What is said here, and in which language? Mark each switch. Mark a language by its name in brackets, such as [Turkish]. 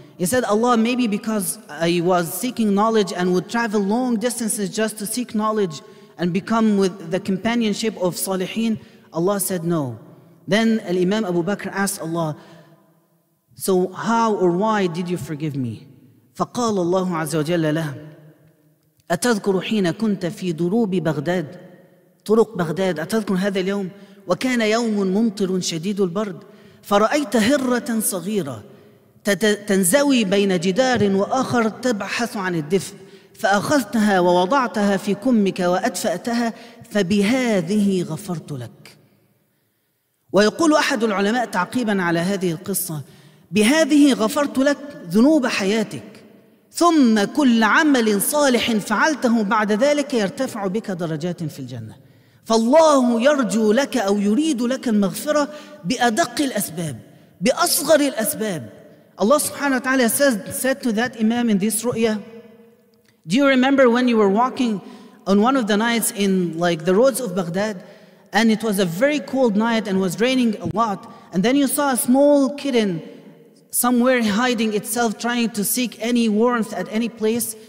[English] He said, Allah, maybe because I was seeking knowledge and would travel long distances just to seek knowledge and become with the companionship of salihin. Allah said no. Then Imam Abu Bakr asked Allah, so how or why did you forgive me? [Arabic] فقال الله عز وجل له أتذكر حين كنت في دروب بغداد طرق بغداد أتذكر هذا اليوم وكان يوم ممطر شديد البرد فرأيت هرة صغيرة تنزوي بين جدار وآخر تبحث عن الدفء فأخذتها ووضعتها في كمك وأدفأتها فبهذه غفرت لك. ويقول أحد العلماء تعقيبا على هذه القصة, بهذه غفرت لك ذنوب حياتك ثم كل عمل صالح فعلته بعد ذلك يرتفع بك درجات في الجنة. فالله يرجو لك أو يريد لك المغفرة بأدق الأسباب, بأصغر الأسباب. [English] الله سبحانه وتعالى said to that imam in this رؤية, do you remember when you were walking on one of the nights in like the roads of Baghdad and it was a very cold night and was raining a lot and then you saw a small kitten somewhere hiding itself, trying to seek any warmth at any place.